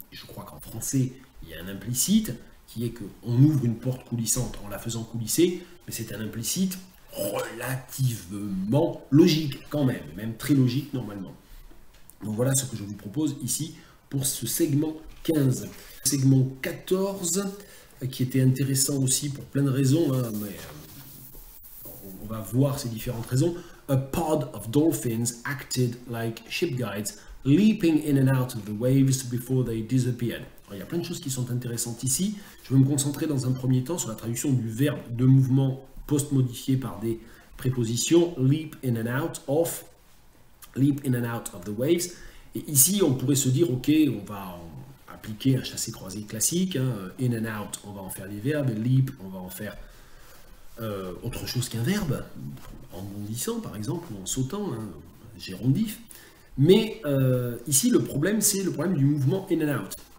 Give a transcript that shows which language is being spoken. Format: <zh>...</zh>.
<fr>Je crois qu'en français, il y a un implicite qui est qu'on ouvre une porte coulissante en la faisant coulisser, mais c'est un implicite relativement logique quand même, même très logique normalement. Donc voilà ce que je vous propose ici pour ce segment 15. Segment 14, qui était intéressant aussi pour plein de raisons, hein, mais on va voir ces différentes raisons.</fr> <en>A pod of dolphins acted like ship guides, leaping in and out of the waves before they disappeared.</en> <fr>Alors, il y a plein de choses qui sont intéressantes ici. Je vais me concentrer dans un premier temps sur la traduction du verbe de mouvement post-modifié par des prépositions.</fr> <en>Leap in and out of, leap in and out of the waves.</en> <fr>Et ici, on pourrait se dire, ok, on va appliquer un chassé-croisé classique. Hein. In and out, on va en faire des verbes. Leap, on va en faire autre chose qu'un verbe, en bondissant par exemple, ou en sautant, hein, gérondif. Mais ici, le problème, c'est le problème du mouvement in and out.</fr>